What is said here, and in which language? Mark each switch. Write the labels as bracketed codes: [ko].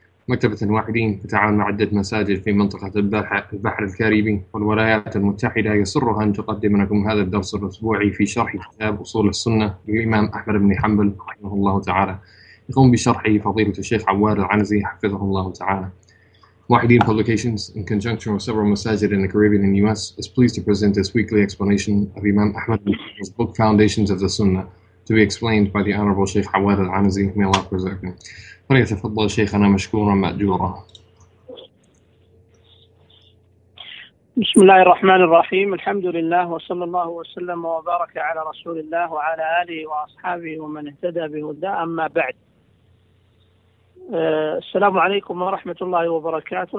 [ar] مكتبة الواحدين بتعاون مع عدة مساجد في منطقة البحر الكاريبي والولايات المتحدة يسرها أن تقدم لكم هذا الدرس الأسبوعي في شرح كتاب أصول السنة للإمام أحمد بن حنبل رحمه الله تعالى. يقوم بشرحه فضيلة الشيخ عواد العنزي حفظه الله تعالى. [en] واحدين Publications, in conjunction with several masajid in the Caribbean and US, is pleased to present this weekly explanation of Imam Ahmad's book Foundations of the Sunnah, to be explained by the Honorable Sheikh Awad al-Anazi, may Allah preserve him. [ar] فليتفضل شيخنا مشكورا مأجورا. بسم الله الرحمن الرحيم، الحمد لله وصلى الله وسلم وبارك على رسول الله وعلى آله وأصحابه ومن اهتدى بهداه، أما بعد، السلام عليكم ورحمة الله وبركاته.